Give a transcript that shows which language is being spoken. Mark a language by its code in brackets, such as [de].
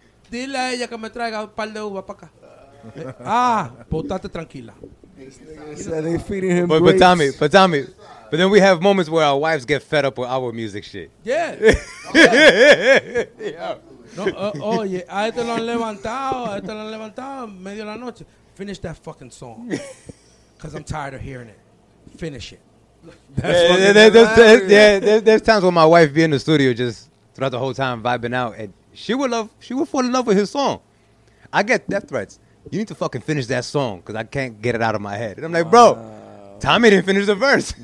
[es] Dile a ella que me traiga un par de uva para acá. Estate tranquila. [en] But then we have moments where our wives get fed up with our music shit. Yeah. [es] No, oye, a este lo han levantado, a este lo han levantado en medio de la noche. [en] Finish that fucking song. Because I'm tired of hearing it. Finish it. There's times when my wife be in the studio just throughout the whole time vibing out and she would fall in love with his song. I get death threats. You need to fucking finish that song because I can't get it out of my head. And I'm like, bro, Tommy didn't finish the verse.